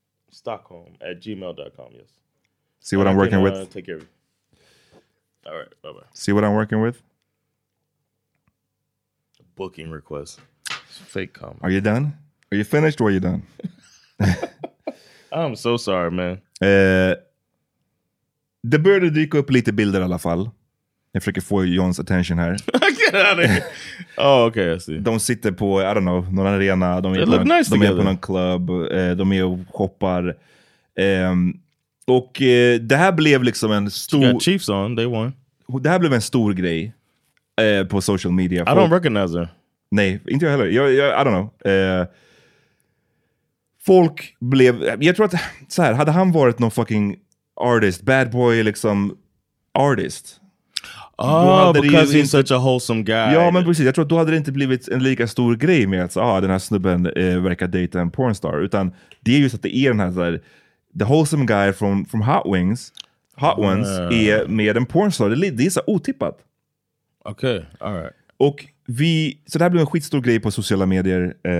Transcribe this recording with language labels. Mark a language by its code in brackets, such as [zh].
[en] Stockholm@gmail.com, yes. See what I'm working with? Take care of you. All right, bye-bye. See what I'm working with? A booking request. It's a fake comment. Are you done? Are you finished or are you done? I'm so sorry, man. [sv] Det började dyka upp lite bilder i alla fall. Jag försöker få Johns attention här. [en] Get out of here. Oh, okay, I see. [sv] De sitter på, [en] I don't know, [sv] någon arena. De [en] är, look [sv] någon, [en] nice [sv] de är på någon club. De är och hoppar. Och det här blev liksom en stor... [en] Chiefs on, they won. [sv] Det här blev en stor grej på [en] social media. Folk, I don't recognize her. [sv] Nej, inte jag heller. [en] I don't know. [sv] Folk blev... Jag tror att, så här, hade han varit någon fucking artist, bad boy, liksom artist... [en] Oh, because he's such a wholesome guy. [sv] Ja, men precis. Jag tror att då hade det inte blivit en lika stor grej med att den här snubben verkar dejta en pornstar. Utan det är just att det är den här, så här [en] the wholesome guy from Hot Wings, Hot Ones, [sv] är med en pornstar. Det är så otippat. [en] Okej, okay. All right. [sv] Och så det här blev en skitstor grej på sociala medier.